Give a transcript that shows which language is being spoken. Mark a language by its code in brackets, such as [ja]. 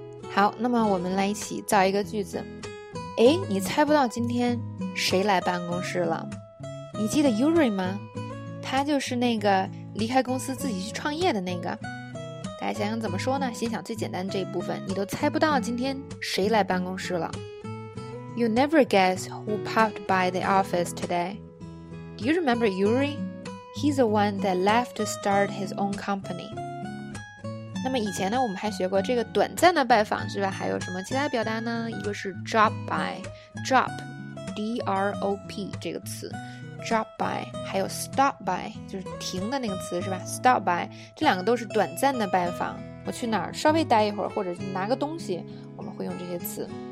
[zh] 好，那么我们来一起造一个句子。哎，你猜不到今天谁来办公室了，你记得 Yuri 吗，他就是那个离开公司自己去创业的那个。大家想想怎么说呢，先想最简单的这一部分，你都猜不到今天谁来办公室了。 [en] You never guess who popped by the office today. Do you remember Yuri? He's the one that left to start his own company. [zh] 那么以前呢我们还学过这个短暂的拜访是吧，还有什么其他表达呢，一个是 drop by， drop， D-R-O-P 这个词drop by， 还有 stop by， 就是停的那个词是吧， stop by， 这两个都是短暂的拜访，我去哪儿稍微待一会儿或者是拿个东西，我们会用这些词。